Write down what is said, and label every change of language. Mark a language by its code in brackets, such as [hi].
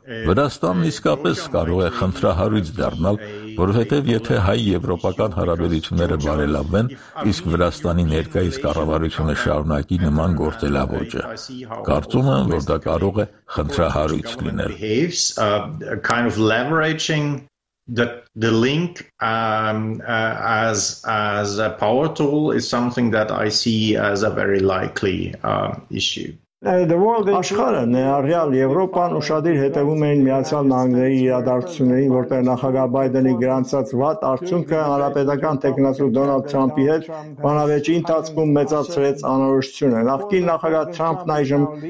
[hy] Վրաստանն իսկապես կարող է խնդրահարույց դառնալ, որովհետև եթե հայ-եվրոպական հարաբերությունները բարելավեն, իսկ Վրաստանի ներկայիս կառավարությունը շարունակի նման գործելավոճը, կարծում եմ, որ դա կարող է խնդրահարույց լինել։ [en] The link as a power tool is something that I see as a very likely issue. The world is [hy] աշխարհը, ներառյալ Եվրոպան, ուշադիր հետևում էին Միացյալ Նահանգների իրադարձություններին, որտեղ նախագահ Բայդենի գրանցած վատ արդյունքը հանրապետական տեխնոսու Դոնալդ Թրամփի հետ բանավեճի ընթացքում մեծացրեց անորոշությունը։ Նախկին նախագահ Թրամփն այժմ